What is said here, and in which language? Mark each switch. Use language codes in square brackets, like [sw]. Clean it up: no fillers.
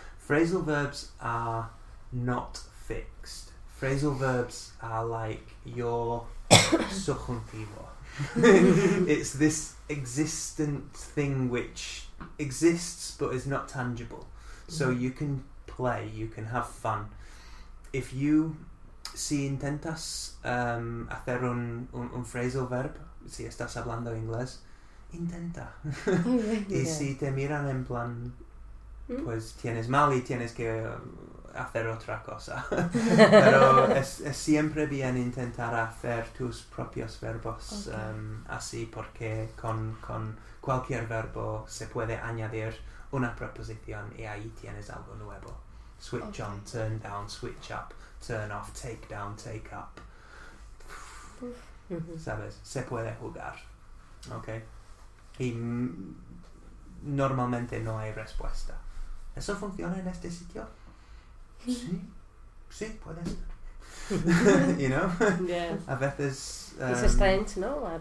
[en] Phrasal verbs are not fixed. Phrasal verbs are like your subjuntivo. It's this existent thing which exists but is not tangible. So you can play, you can have fun. If you [es] si intentas hacer un phrasal verb, si estás hablando inglés, intenta. [en] Yeah. [es] Y si te miran en plan... Pues tienes mal y tienes que hacer otra cosa. Pero es siempre bien intentar hacer tus propios verbos. [en] Okay. [es] Así, porque con cualquier verbo se puede añadir una preposición y ahí tienes algo nuevo. [en] Switch okay. on, turn down, switch up, turn off, take down, take up. [es] ¿Sabes? Se puede jugar. ¿Ok? Y normalmente no hay respuesta. ¿Eso funciona en este sitio? Sí, puede ser. [en] You know? Yeah. [es] A veces... [en] it's strange, ¿no?